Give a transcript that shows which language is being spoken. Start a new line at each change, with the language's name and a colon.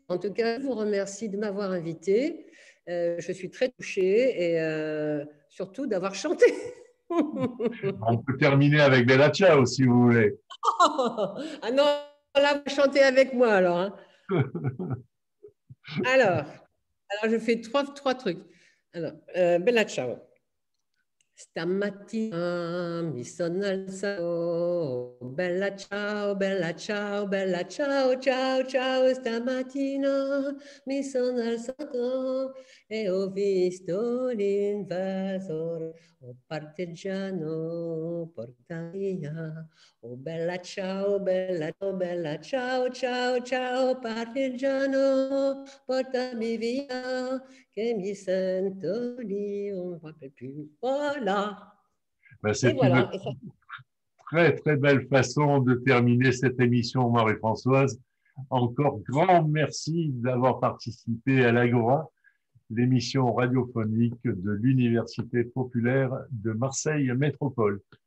French: En tout cas, je vous remercie de m'avoir invité. Je suis très touchée et surtout d'avoir chanté. On peut terminer avec Bella Ciao si vous voulez. Oh, ah non, là, vous chantez avec moi alors. Hein. Alors, je fais trois trucs. Alors, Bella Ciao.
Italian: Stamattina mi sono alzato, bella ciao, bella ciao, ciao, ciao. Stamattina mi sono alzato e ho visto l'invasore, o partigiano porta via. Oh bella ciao, bella ciao, bella ciao, ciao, ciao, partigiano portami via. Che mi sento lì,
French: on ne rappelle
Italian: più.
French: Voilà. Ben c'est et une voilà. Très très belle façon de terminer cette émission, Marie-Françoise. Encore grand merci d'avoir participé à l'Agora, l'émission radiophonique de l'Université populaire de Marseille Métropole.